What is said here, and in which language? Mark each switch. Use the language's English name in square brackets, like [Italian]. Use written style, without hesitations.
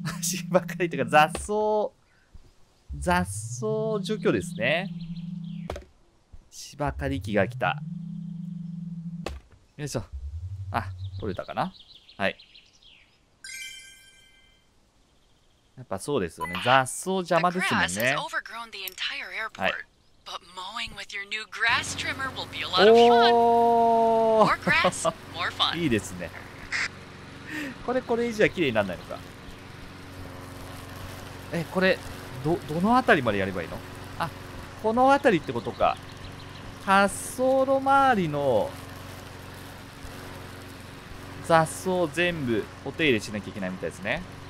[Japanese] 芝刈りというか雑草、雑草除去ですね。芝刈り機が来た。よいしょ。あ、取れたかな。はい、やっぱそうですよね、雑草邪魔ですもんね。はい。 [English] But mowing with your new grass trimmer will be a lot of fun. More grass, more fun. [Japanese] いいですね。これ、これ以上は綺麗にならないのか。え、これ、どのあたりまでやればいいの？あ、このあたりってことか。滑走路周りの雑草全部お手入れしなきゃいけないみたいですね。